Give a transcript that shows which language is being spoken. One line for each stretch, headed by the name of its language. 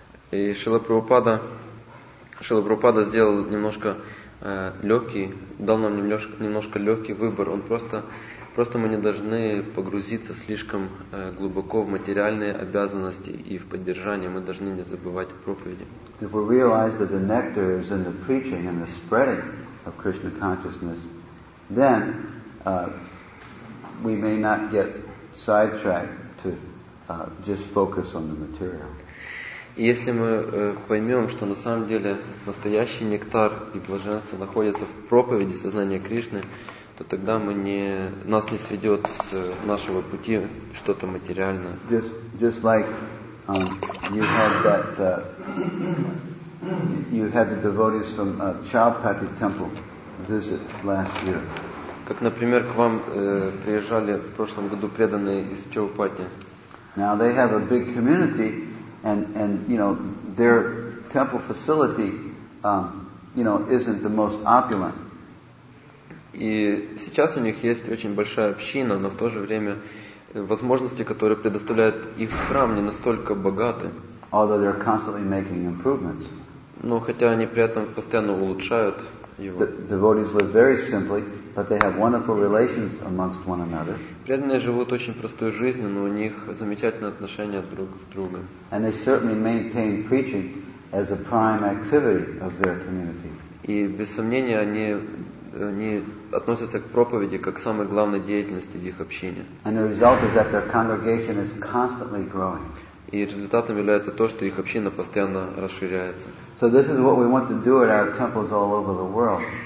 Russian: И Шрила Прабхупада сделал немножко легкий, дал нам немножко легкий выбор. Он просто мы не должны погрузиться слишком глубоко в материальные обязанности и в поддержание. Мы должны не забывать о проповеди.
English: If we realize that the nectar is in the preaching and the spreading of Krishna consciousness, then we may not get sidetracked to just focus on the material.
Russian: И если мы поймем, что на самом деле настоящий нектар и блаженство находятся в проповеди сознания Кришны, то тогда нас не сведет с нашего пути что-то материальное.
English: Just like you had that you had the devotees from Chaupati temple visit last year.
Russian: Как, например, к вам приезжали в прошлом году преданные из Чаупати.
English: Now they have a big community and their temple facility isn't the most opulent.
Russian: И сейчас у них есть очень большая община, но в то же время возможности, которые предоставляет их храм, не настолько богаты.
English: Although they're constantly making improvements.
Russian: Но хотя они при этом постоянно улучшают его.
English: The devotees live very simply, but they have wonderful relations amongst one another.
Russian: Преданные живут очень простой жизнью, но у них замечательные отношения друг с другом.
English: And they certainly maintain preaching as a prime activity of their community.
Russian: И без сомнения они относятся к проповеди как к самой главной деятельности в их общине.
English: And the result is that their congregation is constantly growing.
Russian: И результатом является то, что их община постоянно расширяется.
English: So this is what we want to do at our temples all over the world.